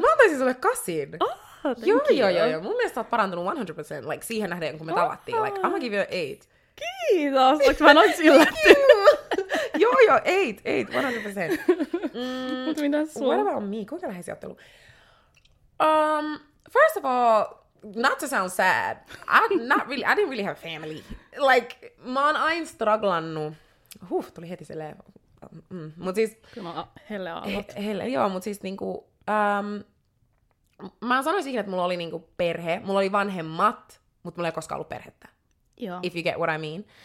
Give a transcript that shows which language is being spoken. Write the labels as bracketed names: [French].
[Finnish] Mä antaisin sulle 8. Oh, joo. Mun mielestä sä oot parantunut 100% like, siihen nähden, kun me tavattiin. [English] Like, I'm gonna give you 8. [Finnish] Kiitos! Oliko mä noin yllättynyt? Joo, 8, 100%. Mutta mitä sua? [English] What about me? [Finnish] Kuinka läheisiä ootte ollut? [English] First of all, not to sound sad, I didn't really have family. [Finnish] Like, mä oon aina strugglannut. Tuli heti silleen. Mut siis... Kyllä mä helle aamut. Mut siis niinku... mä sanoisin ikinä, että mulla oli niinku perhe. Mulla oli vanhemmat, mut mulla ei koskaan ollut perhettä. Joo. [English] If you get what I mean.